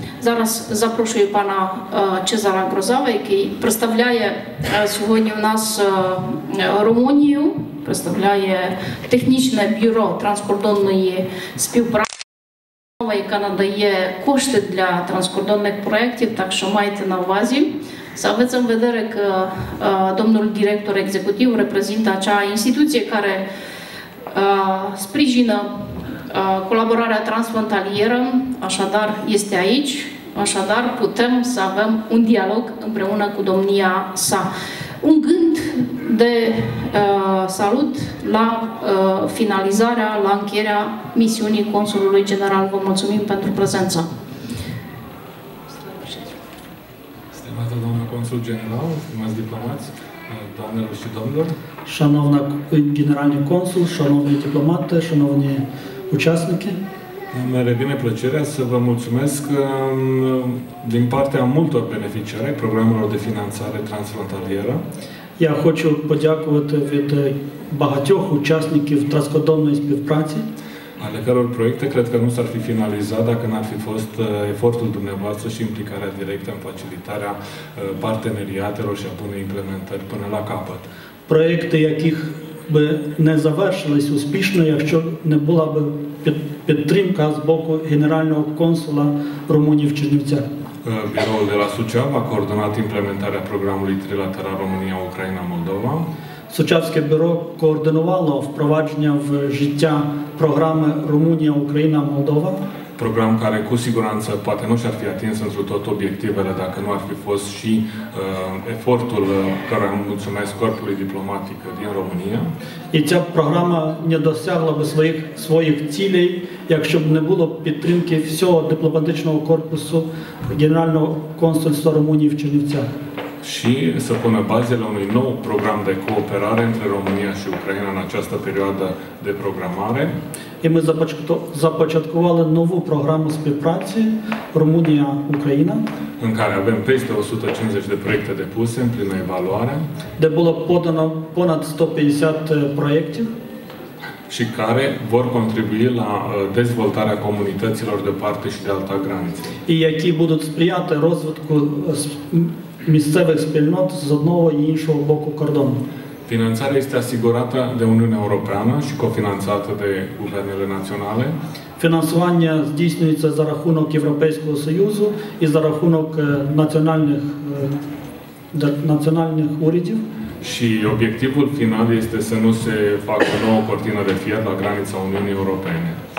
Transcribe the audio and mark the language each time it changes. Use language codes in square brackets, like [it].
[uk] Зараз запрошую пана Чезара Грозава, який представляє сьогодні у нас Румунію, представляє технічне бюро транскордонної співпраці, яка надає кошти для транскордонних проєктів, так що майте на увазі. [ro] Aveți în vedere că domnul director executiv reprezintă acea instituție care sprijină colaborarea transfrontalieră, așadar este aici, așadar putem să avem un dialog împreună cu domnia sa. Un gând de salut la finalizarea, la încheierea misiunii Consulului General. Vă mulțumim pentru prezență. Stimată doamnă Consul General, stimați diplomați, doamnelor și domnilor. [uk] Шановна Генеральний Консул, шановні дипломати, шановні учасники. [ro] Îmi revine plăcerea să vă mulțumesc din partea multor beneficiare programelor de finanțare transfrontalieră. [uk] Я хочу подякувати від багатьох учасників транскордонної співпраці. [ro] Ale căror proiecte cred că nu s-ar fi finalizat dacă n-ar fi fost efortul dumneavoastră și implicarea directă în facilitarea parteneriatelor și a bunei implementări până la capăt. [uk] Проекти, яких би не завершились успішно, якщо не була би підтримка з боку Генерального консула Румунії в Чернівцях. [ro] Biroul de la Suceava a coordonat implementarea programului trilateral România-Ucraina-Moldova. Suceavské biro coordonovalo [uk] впровадження в життя програми Румунія-Україна-Молдова. [ro] Program care cu siguranță poate nu și-ar fi atins într-o tot obiectivele dacă nu ar fi fost și efortul care am mulțumesc corpului diplomatic din România. [uk] І ця програма не досягла би своїх цілей, якщо б не було підтримки всього дипломатичного корпусу Генерального консульства Румунії в Чернівцях. [ro] Și să pună bazele unui nou program de cooperare între România și Ucraina în această perioadă de programare. [uk] І ми започаткували нову програму співпраці Румунія-Україна, [ro] în care avem peste 150 de proiecte depuse în plină evaluare, [uk] де було подано понад 150 проєктів, [ro] și care vor contribui la dezvoltarea comunităților de parte și de alta graniță. [uk] І які будуть сприяти розвитку місцевих спільнот з одного і іншого боку кордону. [ro] Finanțarea este asigurată de Uniunea Europeană și cofinanțată de guvernele naționale. [uk] Finanțarea здійснюється за рахунок Європейського Союзу і за рахунок національних урядів. [ro] Și obiectivul final este să nu se facă nouă cortină de fier la granița Uniunii Europene.